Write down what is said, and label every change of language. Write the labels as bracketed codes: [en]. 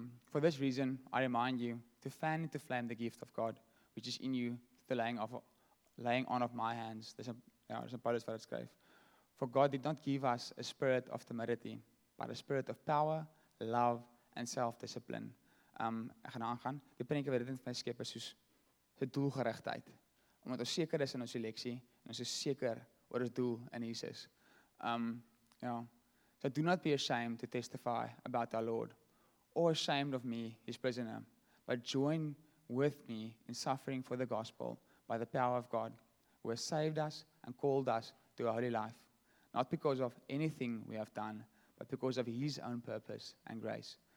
[en] For this reason, I remind you to fan into flame the gift of God, which is in you, the laying on of my hands. There's a Paulus [af] wat het skryf. [en] For God did not give us a spirit of timidity, but a spirit of power, love, and self-discipline. [af] Gaan aangaan. Die prentjie wat dit in my skep is soos sy doelgerigtheid. Omdat ons seker is in ons eleksie, en ons is seker oor ons doel in Jesus. [en] So do not be ashamed to testify about our Lord, or ashamed of me, his prisoner, but join with me in suffering for the gospel by the power of God, who has saved us and called us to a holy life, not because of anything we have done, but because of his own purpose and grace.